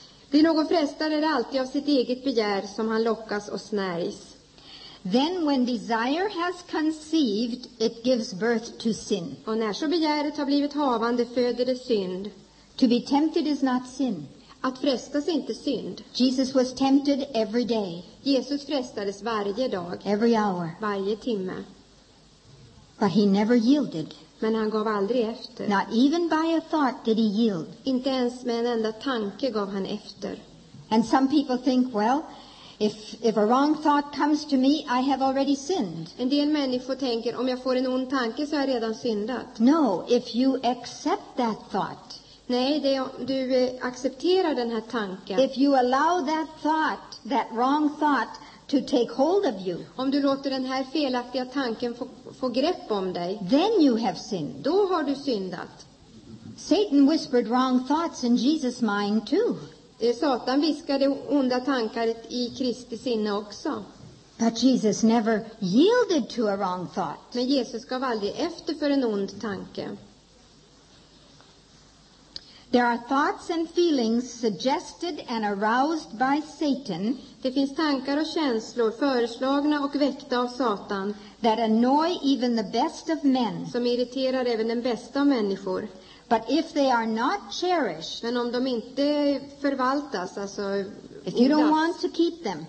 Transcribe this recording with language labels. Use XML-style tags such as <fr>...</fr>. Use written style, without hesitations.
<sv>Det är någon frestare är alltid av sitt eget begär som han lockas och snärs.</sv> <en>Then when desire has conceived, it gives birth to sin.</en> <sv>Och när så begäret har blivit havande föder det synd.</sv> <en>To be tempted is not sin.</en> <sv>Att frestas är inte synd.</sv> <en>Jesus was tempted every day.</en> <sv>Jesus frestades varje dag.</sv> <en>Every hour.</en> <sv>Varje timme.</sv> <en>But he never yielded.</en> <sv>Men han gav aldrig efter.</sv> <en>Not even by a thought did he yield.</en> <sv>Inte ens med en enda tanke gav han efter.</sv> <en>And some people think, well, if a wrong thought comes to me, I have already sinned.</en> <sv>En del människor tänker, om jag får en ond tanke så har jag redan syndat.</sv> <en>No, if you accept that thought.</en> <sv>Nej, det är, du accepterar den här tanken.</sv> <en>If you allow that thought, that wrong thought, to take hold of you.</en> <sv>Om du låter den här felaktiga tanken få grepp om dig.</sv> <en>Then you have sinned.</en> <sv>Då har du syndat.</sv> <en>Satan whispered wrong thoughts in Jesus' mind too.</en> <sv>Satan viskade onda tankar i Kristi sinne också.</sv> <en>But Jesus never yielded to a wrong thought.</en> <sv>Men Jesus gav aldrig efter för en ond tanke.</sv> <en>There are thoughts and feelings suggested and aroused by Satan.</en> <sv>Det finns tankar och känslor föreslagna och väckta av Satan.</sv> <en>That annoy even the best of men.</en> <sv>Som irriterar även den bästa av människor.</sv> <en>But if they are not cherished.</en> <sv>Men om de inte förvaltas, alltså</sv> <en>if you don't want to keep them.</en>